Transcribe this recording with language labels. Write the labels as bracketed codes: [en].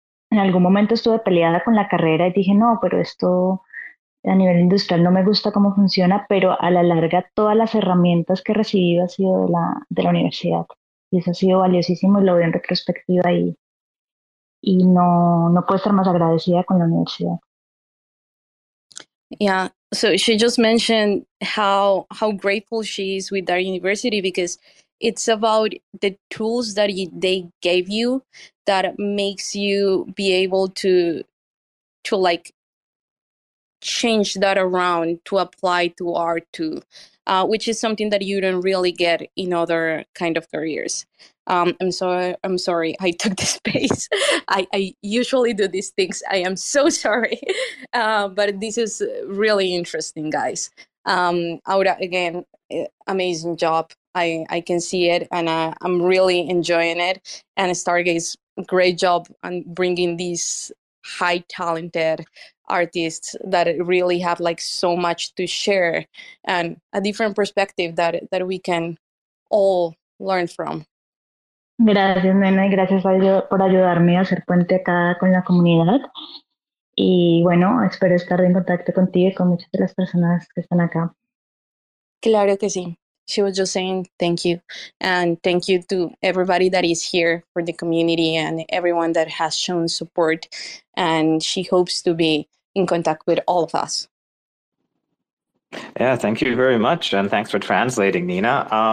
[es] En algún momento estuve peleada con la carrera y dije, no, pero esto a nivel industrial no me gusta cómo funciona, pero a la larga todas las herramientas que he recibido han sido de la universidad. Y eso ha sido valiosísimo y lo veo en retrospectiva y no puedo estar más agradecida con la universidad. [en] Yeah, so she just mentioned how grateful she is with our university, because it's about the tools that they gave you that makes you be able to like change that around to apply to art too, which is something that you don't really get in other kind of careers. I'm sorry. I took the space. I usually do these things. I am so sorry. But this is really interesting, guys. Aura, again, amazing job. I can see it, and I'm really enjoying it. And Stargaze, great job on bringing these high talented artists that really have like so much to share and a different perspective that we can all learn from. [es] Gracias, Nena, y gracias por ayudarme a hacer puente acá con la comunidad. Y bueno, espero estar en contacto contigo y con muchas de las personas que están acá. Claro que sí. [en] She was just saying thank you. And thank you to everybody that is here for the community and everyone that has shown support. And she hopes to be in contact with all of us. Yeah, thank you very much. And thanks for translating, Nena.